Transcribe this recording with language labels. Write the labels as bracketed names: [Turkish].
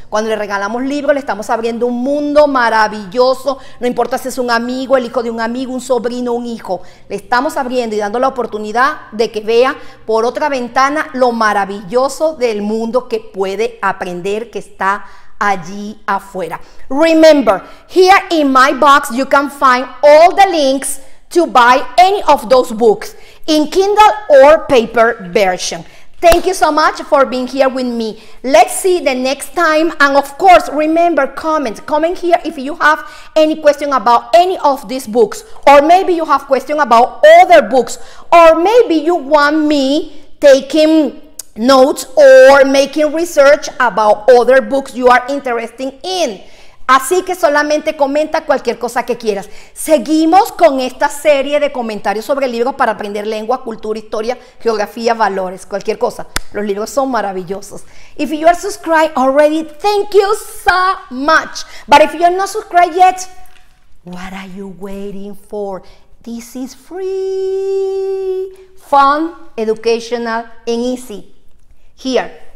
[Spanish] Cuando le regalamos libros, le estamos abriendo un mundo maravilloso. No importa si es un amigo, el hijo de un amigo, un sobrino, un hijo. Le estamos abriendo y dando la oportunidad de que vea por otra ventana lo maravilloso del mundo que puede aprender, que está allí afuera. [English] Remember, here in my box you can find all the links to buy any of those books in Kindle or paper version. Thank you so much for being here with me. Let's see the next time. And of course, remember, comment here if you have any question about any of these books, or maybe you have question about other books, or maybe you want me taking notes or making research about other books you are interested in. [Spanish] Así que solamente comenta cualquier cosa que quieras. Seguimos con esta serie de comentarios sobre libros para aprender lengua, cultura, historia, geografía, valores, cualquier cosa. Los libros son maravillosos. [English] If you are subscribed already, thank you so much. But if you're not subscribed yet, what are you waiting for? This is free, fun, educational, and easy. Here,